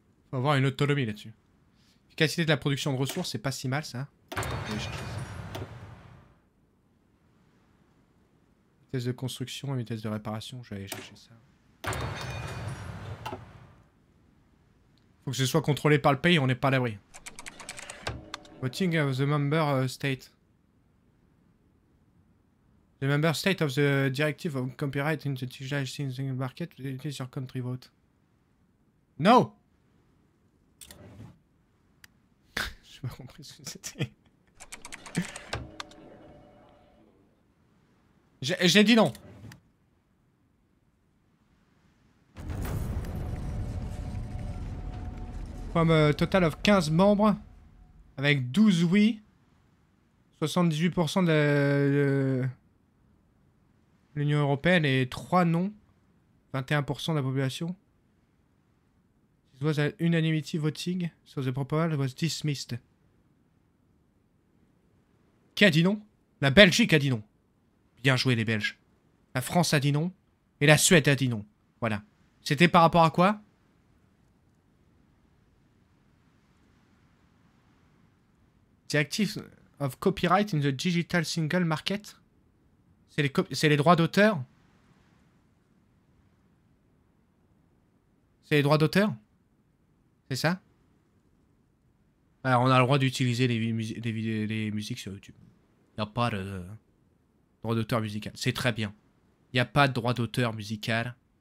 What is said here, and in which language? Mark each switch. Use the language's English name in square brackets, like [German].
[French] Faut avoir une autonomie là-dessus. L'efficacité de la production de ressources, c'est pas si mal, ça. Vitesse de construction et vitesse de réparation, je vais aller chercher ça. Faut que ce soit contrôlé par le pays, on n'est pas à l'abri. [English] Voting of the member state. The member state of the directive of copyright in the digital single market, it is your country vote. No! [French] J'ai pas compris ce que c'était. J'ai dit non. Un total of 15 membres avec 12 oui. 78% de l'Union Européenne et 3 non. 21% de la population. [English] This was a unanimity voting, so the proposal was dismissed. [French] Qui a dit non? La Belgique a dit non. Bien joué les Belges. La France a dit non. Et la Suède a dit non. Voilà. C'était par rapport à quoi? [English] Directive of copyright in the digital single market. [French] C'est les droits d'auteur? C'est les droits d'auteur? C'est ça? Alors on a le droit d'utiliser les musiques sur YouTube. Il n'y a pas de... droit d'auteur musical, c'est très bien. Il n'y a pas de droit d'auteur musical.